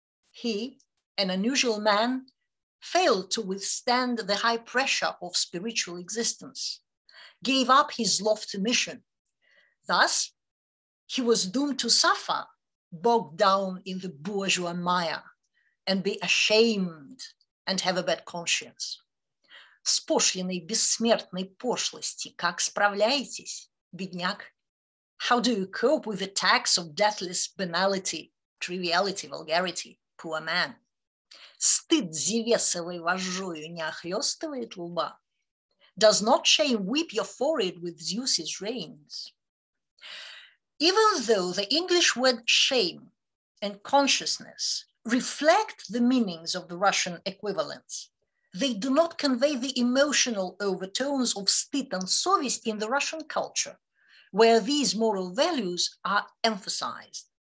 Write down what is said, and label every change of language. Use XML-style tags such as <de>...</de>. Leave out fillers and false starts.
<en>He, an unusual man, failed to withstand the high pressure of spiritual existence, gave up his lofty mission. Thus, he was doomed to suffer, bogged down in the bourgeois mire, and be ashamed and have a bad conscience.</en> <ru>С пошлиной бессмертной пошлости как справляетесь, бедняк?</ru> <en>How do you cope with the tax of deathless banality, triviality, vulgarity, poor man?</en> <ru>Стыд зевесовой вожжою не охлёстывает лба?</ru> <en>Does not shame whip your forehead with Zeus's reins? Even though the English word shame and consciousness reflect the meanings of the Russian equivalents, they do not convey the emotional overtones of stid and sovest in the Russian culture, where these moral values are emphasized.</en>